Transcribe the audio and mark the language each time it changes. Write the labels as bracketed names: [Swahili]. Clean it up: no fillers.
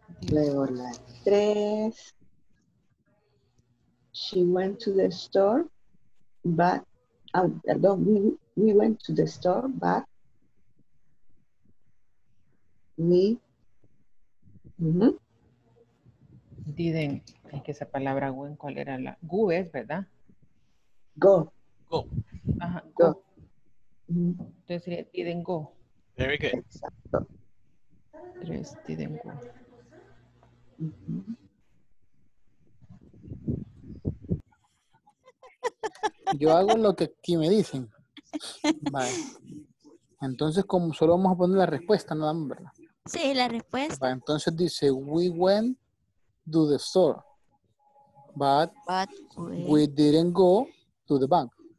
[Spanish] Luego la tres. [English] She went to the store, but we went to the store, but we didn't. [Spanish] Es que esa palabra went, ¿cuál era la? Go es, ¿verdad? [English] Go. Go. [Spanish] Ajá, [English] go. [Spanish] Entonces sería [English] didn't go. Very good. [Spanish] Exacto. Tres, [English] didn't go. [Spanish] Yo hago lo que aquí me dicen. Vale. Entonces, como solo vamos a poner la respuesta, nada más, ¿verdad? Sí, la respuesta. Vale, entonces dice, [English] we went to the store, but we didn't go to the bank.